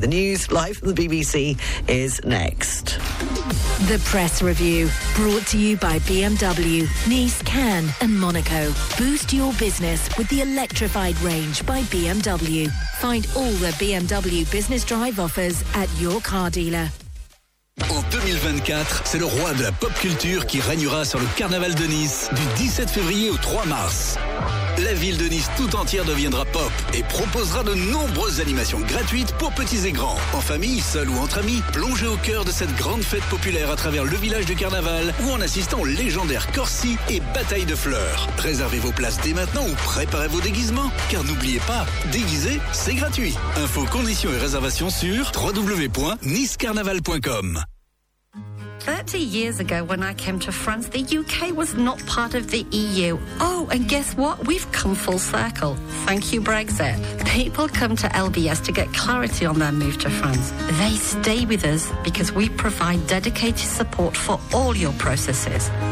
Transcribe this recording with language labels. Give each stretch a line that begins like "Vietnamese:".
English: The news live from the BBC is next. The Press Review, brought to you by BMW, Nice, Cannes and Monaco. Boost your business with the electrified range by BMW. Find all the BMW Business Drive offers at your car dealer.
French: En 2024, c'est le roi de la pop culture qui règnera sur le carnaval de Nice du 17 février au 3 mars. La ville de Nice tout entière deviendra pop et proposera de nombreuses animations gratuites pour petits et grands. En famille, seul ou entre amis, plongez au cœur de cette grande fête populaire à travers le village du carnaval ou en assistant aux légendaires Corsi et Bataille de Fleurs. Réservez vos places dès maintenant ou préparez vos déguisements, car n'oubliez pas, déguiser, c'est gratuit. Infos, conditions et réservations sur www.nicecarnaval.com.
English: 30 years ago when I came to France, the UK was not part of the EU. Oh, and guess what? We've come full circle. Thank you, Brexit. People come to LBS to get clarity on their move to France. They stay with us because we provide dedicated support for all your processes.